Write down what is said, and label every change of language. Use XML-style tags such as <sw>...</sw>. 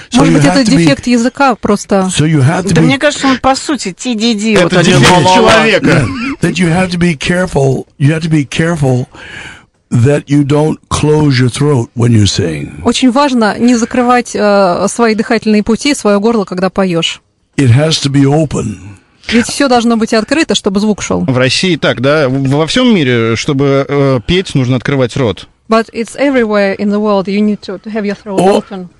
<ru>Может быть, это дефект языка просто.</ru> <en>So you have to</en> <ru>be... Да мне кажется, он по сути ти-ди-ди. Это дефект человека.</ru> <en>That you have to be careful. You have to be careful that you don't close your throat when you sing.</en> <ru>Очень важно не закрывать свои дыхательные пути, свое горло, когда поешь.</ru> <en>It has to be open.</en> <ru>Ведь все должно быть открыто, чтобы звук шел. В России так, да? Во всем мире, чтобы петь, нужно открывать рот.</ru> <en>But it's everywhere in the world you need to have your throat open.</en>